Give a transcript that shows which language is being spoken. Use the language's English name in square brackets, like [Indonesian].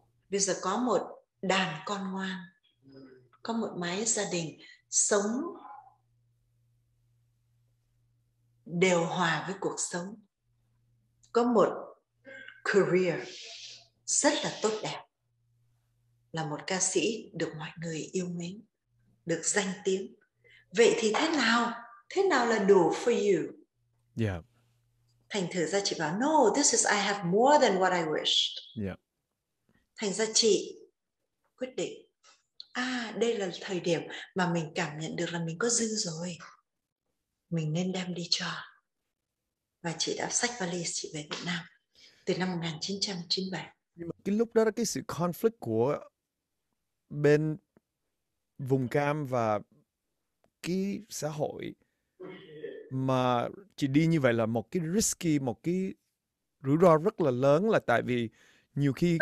[Vietnamese] Bây giờ có một đàn con ngoan, có một mái gia đình sống đều hòa với cuộc sống, có một career rất là tốt đẹp, là một ca sĩ được mọi người yêu mến, được danh tiếng. Vậy thì thế nào? Thế nào là đủ [English] for you? Yeah. [Vietnamese] Thành thử ra chị bảo, [English] no, this is I have more than what I wished. Yeah. [Vietnamese] Thành ra chị quyết định, đây là thời điểm mà mình cảm nhận được là mình có dư rồi, mình nên đem đi cho. Và chị đã xách valise chị về Việt Nam từ năm 1997. Cái lúc đó là cái sự conflict của bên vùng cam và cái xã hội, mà chị đi như vậy là một cái risky, một cái rủi ro rất là lớn, là tại vì nhiều khi